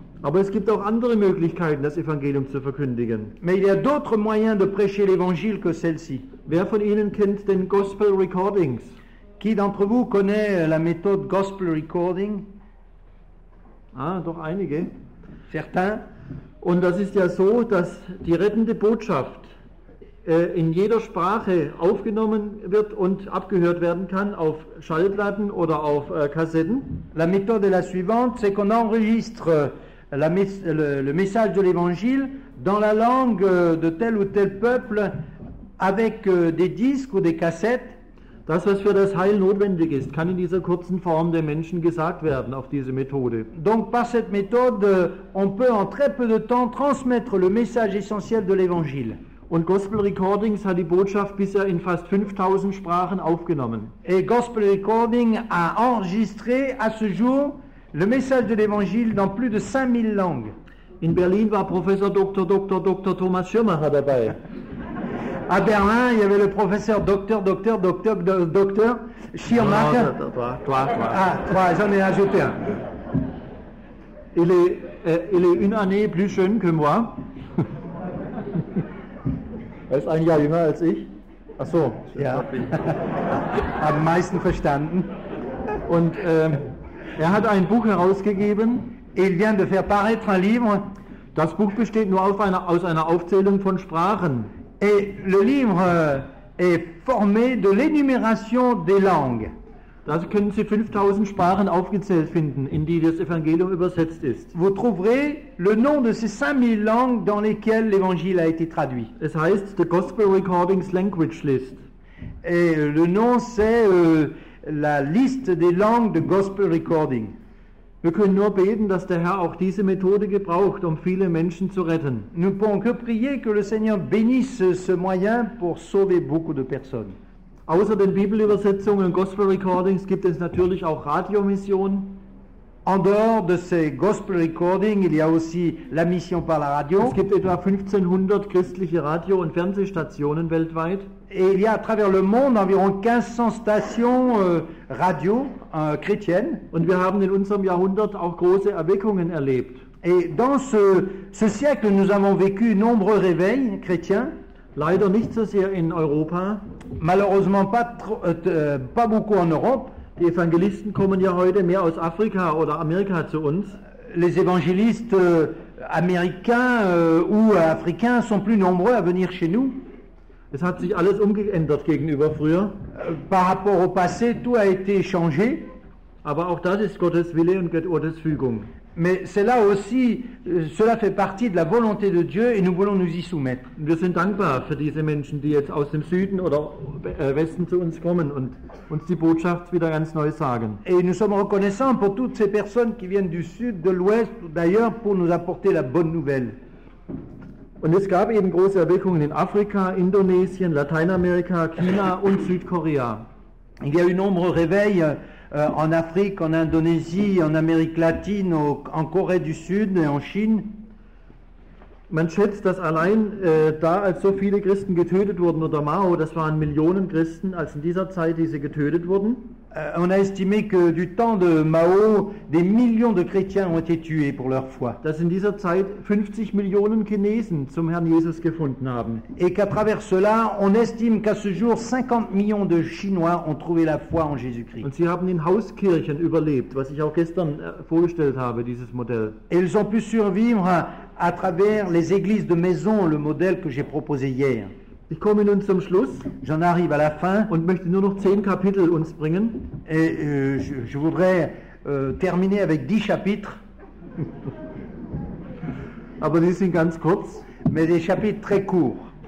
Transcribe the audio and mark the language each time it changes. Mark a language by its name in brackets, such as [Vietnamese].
[German] Aber es gibt auch andere Möglichkeiten, das Evangelium zu verkündigen. [French] Mais il y a d'autres moyens de prêcher l'évangile que celle-ci. [German] Wer von Ihnen kennt den Gospel Recordings? [French] Qui d'entre vous connaît la méthode Gospel Recording? [German] Ah, doch einige. [French] Certains. [German] Und das ist ja so, dass die rettende Botschaft in jeder Sprache aufgenommen wird und abgehört werden kann auf Schallplatten oder auf Kassetten. [French] La méthode est la suivante, c'est qu'on enregistre le message de l'Évangile dans la langue de tel ou tel peuple avec des disques ou des cassettes. [German] Das, was für das Heil notwendig ist, kann in dieser kurzen Form den Menschen gesagt werden auf diese Methode. [French] Donc par cette méthode, on peut en très peu de temps transmettre le message essentiel de l'Évangile. [German] Und Gospel Recordings hat die Botschaft bisher in fast 5000 Sprachen aufgenommen. [French] Et Gospel Recording a enregistré à ce jour Le message de l'évangile dans plus de 5000 langues. [German] In Berlin war Professor Dr. Dr. Dr. Thomas Schirmacher dabei. [French] À Berlin, il y avait le professeur Dr. Dr. Dr. Dr. Schirmacher. Toi, j'en ai ajouté un. Il est une année plus jeune que moi. [German] Er ist ein Jahr jünger als ich. Ach so, ja. Am meisten verstanden. Und er hat ein Buch herausgegeben. [French] Il vient de faire paraître un livre. [German] Das Buch besteht nur aus einer Aufzählung von Sprachen. [French] Et le livre est formé de l'énumération des langues. [German] Da können Sie 5000 Sprachen aufgezählt finden, in die das Evangelium übersetzt ist. [French] Vous trouverez le nom de ces 5000 langues dans lesquelles l'évangile a été traduit. [German] Es heißt The Gospel Recordings Language List. [French] Et le nom c'est la liste des langues de Gospel Recording. [German] Wir können nur beten, dass der Herr auch diese Methode gebraucht, um viele Menschen zu retten. [French] Nous pouvons que prier que le Seigneur bénisse ce moyen pour sauver beaucoup de personnes. [German] Außer den Bibelübersetzungen und Gospel Recordings gibt es natürlich auch Radiomissionen. [French] En dehors de ces Gospel Recordings, il y a aussi la mission par la radio. [German] Es gibt etwa 1500 christliche Radio- und Fernsehstationen weltweit. [French] Et il y a à travers le monde environ 1500 stations radio chrétiennes. [German] Und wir haben in unserem Jahrhundert auch große Erweckungen erlebt. [French] Et dans ce siècle, nous avons vécu nombreux réveils chrétiens. [German] Leider nicht so sehr in Europa. [French] Malheureusement pas beaucoup en Europe. [German] Die Evangelisten kommen ja heute mehr aus Afrika oder Amerika zu uns. [French] Les évangélistes américains ou africains sont plus nombreux à venir chez nous. [German] Es hat sich alles umgeändert gegenüber früher. [French] Par rapport au passé, tout a été changé. [German] Aber auch das ist Gottes Wille und Gottes Fügung. [French] Mais cela aussi, cela fait partie de la volonté de Dieu et nous voulons nous y soumettre. [German] Wir sind dankbar für diese Menschen, die jetzt aus dem Süden oder Westen zu uns kommen und uns die Botschaft wieder ganz neu sagen. [French] Et nous sommes reconnaissants pour toutes ces personnes qui viennent du Sud, de l'Ouest ou d'ailleurs pour nous apporter la bonne nouvelle. [German] Und es gab eben große Erweckungen in Afrika, Indonesien, Lateinamerika, China und Südkorea. [French] Il y a eu nombreux réveils en Afrique, en Indonésie, en Amérique latine, en Corée du Sud et en Chine. [German] Man schätzt, dass allein da, als so viele Christen getötet wurden unter Mao, das waren Millionen Christen, als in dieser Zeit diese getötet wurden. [French] On a estimé que du temps de Mao, des millions de chrétiens ont été tués pour leur foi. [German] Dass in dieser Zeit 50 Millionen Chinesen zum Herrn Jesus gefunden haben. [French] Et qu'à travers cela, on estime qu'à ce jour, 50 millions de Chinois ont trouvé la foi en Jésus-Christ. [German] Und sie haben in Hauskirchen überlebt, was ich auch gestern vorgestellt habe, dieses Modell. [French] Et ils ont pu survivre à travers les églises de maison, le modèle que j'ai proposé hier. [German] Ich komme nun zum Schluss. [French] J'en arrive à la fin. [German] Und möchte nur noch 10 Kapitel uns bringen. [French] Et je voudrais terminer avec 10 chapitres. [German] Aber die sind ganz kurz. [French] Mais des chapitres très courts.